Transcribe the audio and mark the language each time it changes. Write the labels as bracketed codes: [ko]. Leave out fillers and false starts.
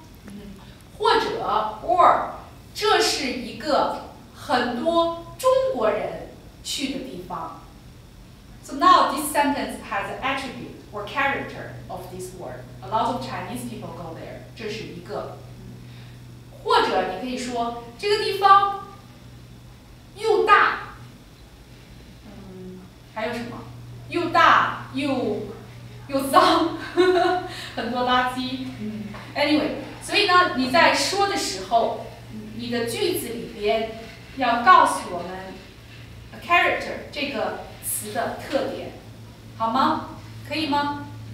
[zh] 嗯，或者 or 这是一个很多中国人去的地方。 [en] So now this sentence has an attribute or character of this word. A lot of Chinese people go there. [zh] 这是一个。或者你可以说这个地方又大。嗯，还有什么？又大又脏，很多垃圾。 Anyway, 所以呢，你在说的时候，你的句子里边要告诉我们character 这个词的特点，好吗？可以吗？